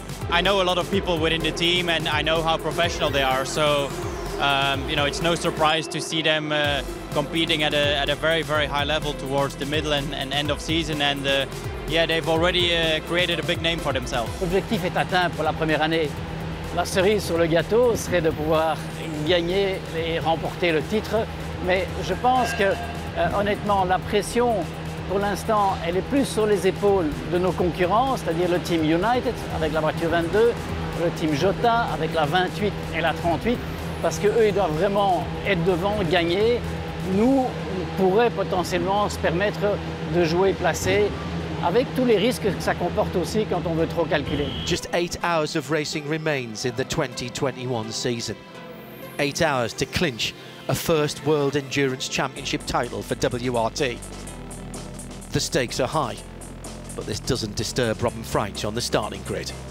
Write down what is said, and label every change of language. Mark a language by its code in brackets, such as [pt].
[en] I know a lot of people within the team and I know how professional they are, so it's no surprise to see them competing at a very, very high level towards the middle and end of season, and they've already created a big name for themselves. [fr] L'objectif est atteint pour la première année. La cerise sur le gâteau serait de pouvoir gagner et remporter le titre. Mais je pense que, honnêtement, la pression, pour l'instant, elle est plus sur les épaules de nos concurrents, c'est-à-dire le Team United avec la voiture 22, le Team Jota avec la 28 et la 38, parce qu'eux, ils doivent vraiment être devant, gagner. Nous, on pourrait potentiellement se permettre de jouer placé, avec tous les risques que ça comporte aussi quand on veut trop calculer. [en] Just 8 hours of racing remains in the 2021 season. 8 hours to clinch a first World Endurance Championship title for WRT. The stakes are high, but this doesn't disturb Robin Freitsch on the starting grid.